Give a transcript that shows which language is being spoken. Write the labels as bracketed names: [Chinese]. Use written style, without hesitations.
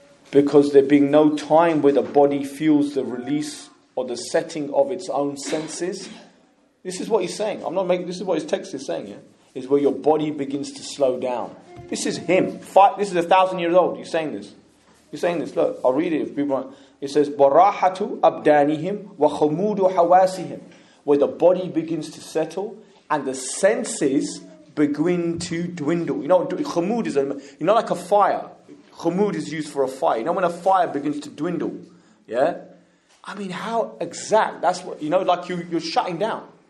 [English] Because there being no time where the body feels the release or the setting of its own senses. This is what he's saying. I'm not making, this is what his text is saying, yeah? Is where your body begins to slow down. This is him. This is 1,000 years old. You're saying this. You're saying this. Look, I'll read it if people want. It says, [Arabic] وَرَاحَةُ أَبْدَانِهِمْ وَخَمُودُ حَوَاسِهِمْ. [English] Where the body begins to settle and the senses begin to dwindle. You know, khamud is, you know, like a fire. Khamud is used for a fire. You know, when a fire begins to dwindle, yeah? I mean, how exact? That's what, you know, like you're shutting down.